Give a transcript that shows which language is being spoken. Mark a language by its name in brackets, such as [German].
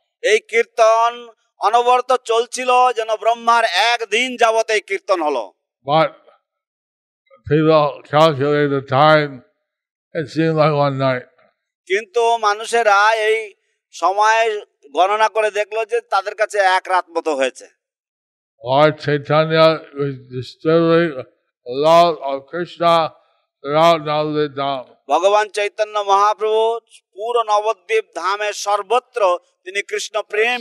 [Bangla] এই কীর্তন অনবরত চলছিল যেন ব্রহ্মার একদিন যাবত এই কীর্তন হলো [English] but people calculated the time it seemed like one night [Bangla] কিন্তু মানুষেরা এই সময় গণনা করে দেখলো যে তাদের কাছে এক রাত মতো হয়েছে [English] Lord Chaitanya was distilling the love of Krishna throughout Navadvip Dham. [Bangla] ভগবান চৈতন্য মহাপ্রভু পুরো নবদ্বীপ ধামে সর্বত্র তিনি কৃষ্ণ প্রেম